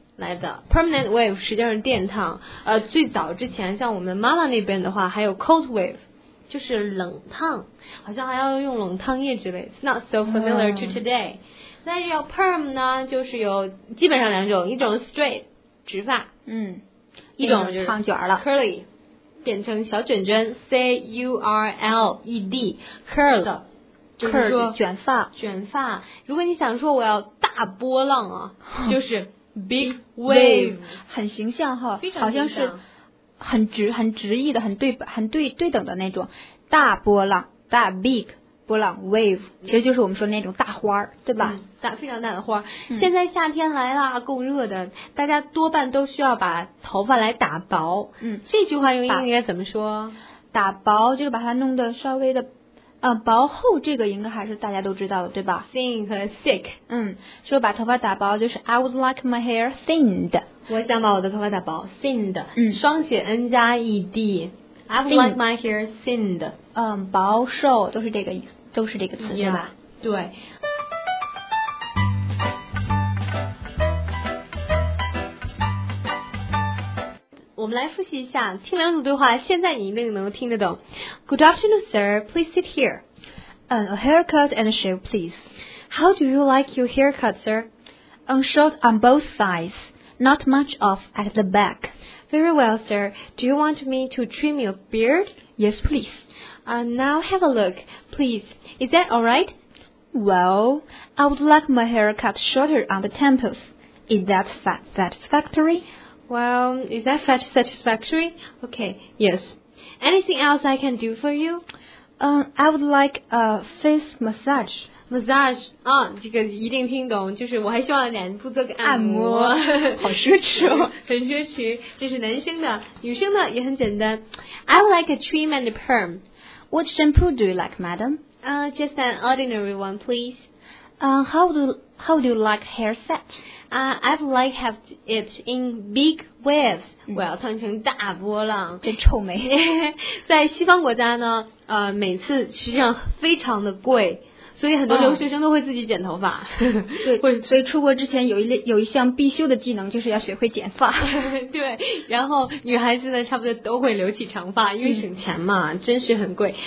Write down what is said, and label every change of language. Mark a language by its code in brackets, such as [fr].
[zh] 来的 permanent wave 实际上是电烫，最早之前像我们妈妈那边的话，还有 cold wave， 就是冷烫，好像还要用冷烫液之类。 [en] It's not so familiar to today。 [zh] 但是要 perm 呢，就是有基本上两种，一种 straight 直发，嗯，一种就是烫卷了 curly， 变成小卷卷 ，c u r l e d， curl， 就是说卷发，卷发。如果你想说我要大波浪啊，就是。 [en] Big [zh] wave， 很形象哈，非常好像是很直很直意的，很对等的那种大波浪，大 big 波浪 wave， 其实就是我们说那种大花，对吧？大非常大的花。现在夏天来了，够热的，大家多半都需要把头发来打薄。嗯，这句话用英语应该怎么说？打薄就是把它弄得稍微的薄厚这个应该还是大家都知道的，对吧？ [en] Thin 和 thick。 [zh] 嗯，说把头发打薄就是 [en] I would like my hair thinned。 [zh] 我想把我的头发打薄 thinned。嗯，双写 N 加 ED。 [en] I would like my hair thinned。 [zh] 嗯，薄瘦都是这个意思，都是这个词， [en] yeah， [zh] 是吧？对。我们来复习一下，听两组对话，现在你一定能听得懂。 [en] Good afternoon, sir. Please sit here. A haircut and a shave, please. How do you like your haircut, sir? Short on both sides. Not much off at the back. Very well, sir. Do you want me to trim your beard? Yes, please. Now have a look, please. Is that all right? Well, I would like my haircut shorter on the temples. Is that satisfactory? Well, is that satisfactory? Okay, yes. Anything else I can do for you? I would like a face massage. [zh] Massage, 啊，这个一定听懂，就是我还希望脸部做个按摩。好奢侈哦。很奢侈，这是男生的，女生的也很简单。 [en] I would like a trim and a perm. What shampoo do you like, madam? Just an ordinary one, please. How do you like hair set? I've like have it in big waves. [zh] 我要烫成大波浪，真臭美。在西方国家呢，每次实际上非常的贵，所以很多留学生都会自己剪头发。对，所以出国之前有一项必修的技能就是要学会剪发。对，然后女孩子呢，差不多都会留起长发，因为省钱嘛，真是很贵。